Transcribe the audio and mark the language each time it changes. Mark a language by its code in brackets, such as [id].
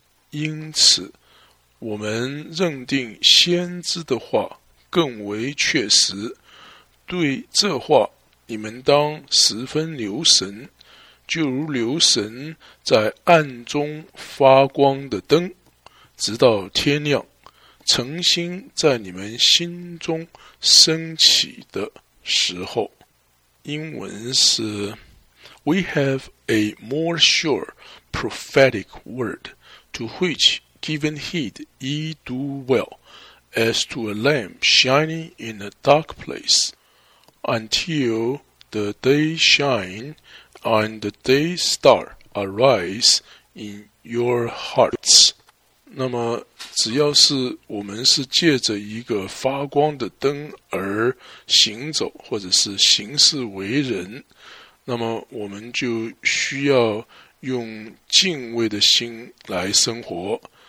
[zh] 因此我们认定先知的话更为确实，对这话你们当十分留神，就如留神在暗中发光的灯，直到天亮，诚心在你们心中升起的时候。英文是 [en] We have a more sure prophetic word, to which, given heed, ye do well, as to a lamp shining in a dark place, until the day shine,And the day star arise in your hearts. [zh] 那么只要是我们是借着一个发光的灯而行走，或者是行事为人，那么我们就需要用敬畏的心来生活，